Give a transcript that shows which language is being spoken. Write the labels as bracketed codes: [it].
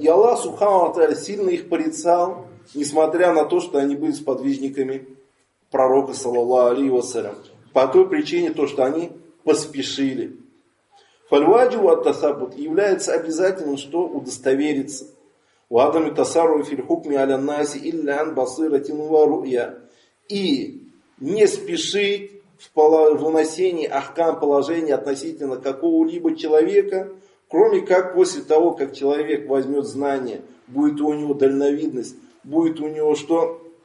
[ru] И Аллах Субхану Ва Тааля сильно их порицал, несмотря на то, что они были сподвижниками пророка, саллаллаху алейхи ва саллям. По той причине, то, что они поспешили. [ar] فالواجب التثبت [ru] является обязательным, что удостовериться. [ar] وعدم التسرع في الحكم على الناس إلا عن بصيرة ورؤية. [ru] И не спешить в выносении ахкам положения относительно какого-либо человека, кроме как после того, как человек возьмет знания, будет у него дальновидность, будет у него что?